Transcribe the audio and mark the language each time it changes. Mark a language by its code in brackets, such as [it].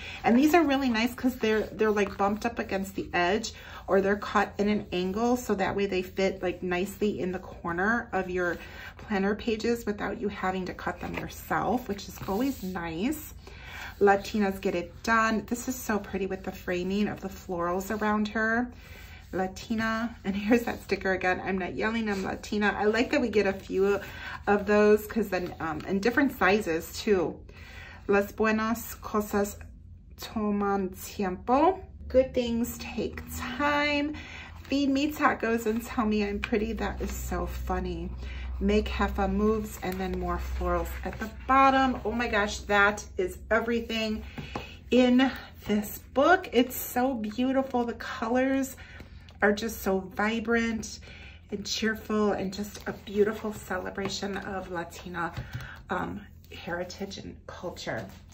[en] And these are really nice because they're like bumped up against the edge, or they're caught in an angle, so that way they fit like nicely in the corner of your planner pages without you having to cut them yourself, which is always nice. Latinas get it done. This is so pretty with the framing of the florals around her. Latina, and here's that sticker again. I'm not yelling, I'm Latina. I like that we get a few of those, because then in different sizes too. [es] Las buenas cosas toman tiempo. [en] Good things take time. Feed me tacos and tell me I'm pretty. That is so funny. Make jefa moves, and then more florals at the bottom. Oh my gosh, that is everything in this book. It's so beautiful. The colors are just so vibrant and cheerful, and just a beautiful celebration of Latina heritage and culture.